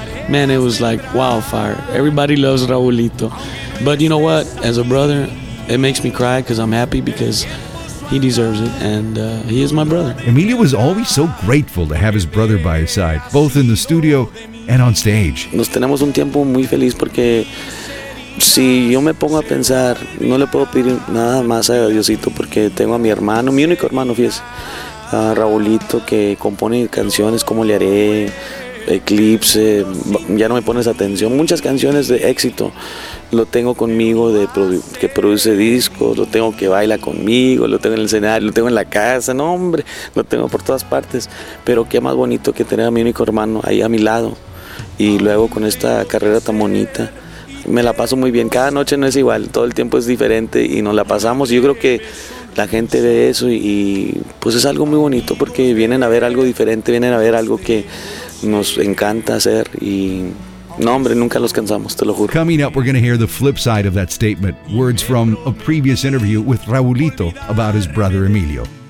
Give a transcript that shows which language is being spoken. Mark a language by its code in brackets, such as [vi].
[en] Man, it was like wildfire. Everybody loves Raulito. But you know what? As a brother, it makes me cry because I'm happy because he deserves it, and he is my brother. Emilio was always so grateful to have his brother by his side, both in the studio and on stage. [es] Nos tenemos un tiempo muy feliz porque si yo me pongo a pensar, no le puedo pedir nada más a Diosito porque tengo a mi hermano, mi único hermano, fíjese, a Raulito, que compone canciones, ¿Cómo le haré?, Eclipse, Ya no me pones atención, muchas canciones de éxito lo tengo conmigo, de que produce discos, lo tengo que baila conmigo, lo tengo en el escenario, lo tengo en la casa, no hombre, lo tengo por todas partes, pero qué más bonito que tener a mi único hermano ahí a mi lado, y luego con esta carrera tan bonita, me la paso muy bien, cada noche no es igual, todo el tiempo es diferente y nos la pasamos, yo creo que la gente ve eso y pues es algo muy bonito porque vienen a ver algo diferente, vienen a ver algo que nos encanta hacer y no hombre, nunca los cansamos, te lo juro. [en] Coming up, we're going to hear the flip side of that statement, words from a previous interview with Raulito about his brother Emilio.